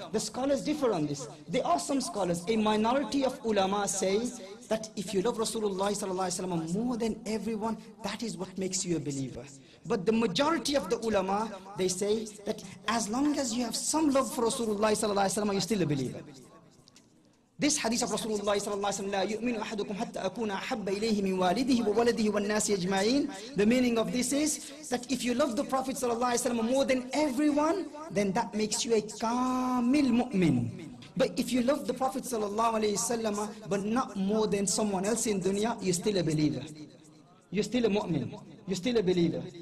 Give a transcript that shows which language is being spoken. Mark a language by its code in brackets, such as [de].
[en] The scholars differ on this. There are some scholars, a minority of ulama say that if you love Rasulullah sallallahu alaihi wasallam more than everyone, that is what makes you a believer. But the majority of the ulama, they say that as long as you have some love for Rasulullah sallallahu alaihi wasallam, you're still a believer. This hadith of Rasulullah sallallahu alaihi wasallam, [ar] لا يؤمن أحدكم حتى أكون أحب إليه من والده وولده والناس يجمعين. [en] The meaning of this is that if you love the Prophet sallallahu alaihi wasallam more than everyone, then that makes you a kamil mu'min. But if you love the Prophet sallallahu alaihi wasallam but not more than someone else in dunya, you're still a believer. You're still a mu'min. You're still a believer.